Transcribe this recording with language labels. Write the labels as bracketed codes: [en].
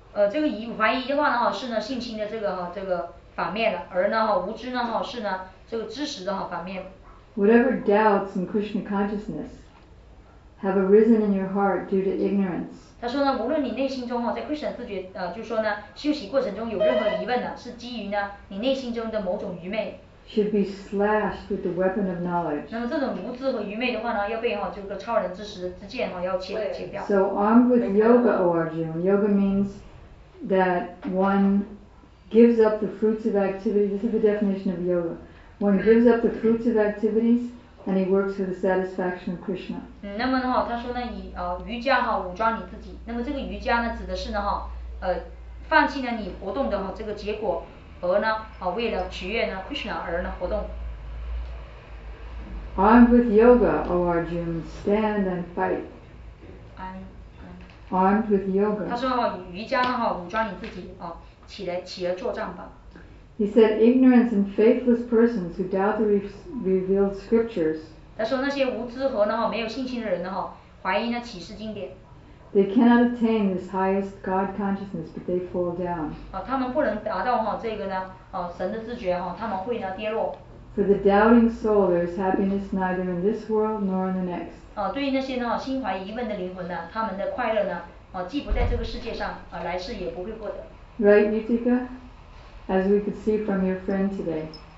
[zh] 这个怀疑的话呢是呢信心的这个反面的，而呢无知呢是呢这个知识的反面。 [en] Whatever doubts in Krishna consciousness have arisen in your heart due to ignorance. [zh] 他说呢无论你内心中在 Krishna 自觉就是说呢休息过程中有任何疑问呢是基于呢你内心中的某种愚昧。 [en] Should be slashed with the weapon of knowledge. [zh] 那么这种无知和愚昧的话呢要被这个超人知识之剑要切掉。 [en] So armed with yoga, O Arjuna, yoga means that one gives up the fruits of activity. This is the definition of yoga. One gives up the fruits of activities,And he works for the satisfaction of Krishna. [zh] 那么的话，他说呢，以瑜伽武装你自己。那么这个瑜伽呢，指的是呢放弃了你活动的这个结果，而呢为了取悦呢 Krishna 而呢活动。 [en] Armed with yoga, O Arjuna, stand and fight. Armed with yoga. [zh] 他说瑜伽武装你自己起来作战吧。 [en] He said, ignorance and faithless persons who doubt the revealed scriptures. [zh] 他说那些无知和呢没有信心的人呢怀疑呢启示经典。 [en] They cannot attain this highest God consciousness, but they fall down. [zh] 他们不能达到这个呢神的知觉他们会呢跌落。 [en] For the doubting soul, there is happiness neither in this world nor in the next. [zh] 对于那些呢心怀疑问的灵魂呢，他们的快乐呢既不在这个世界上来世也不会获得。 [en] Right, Yutika? As we could see from your friend today.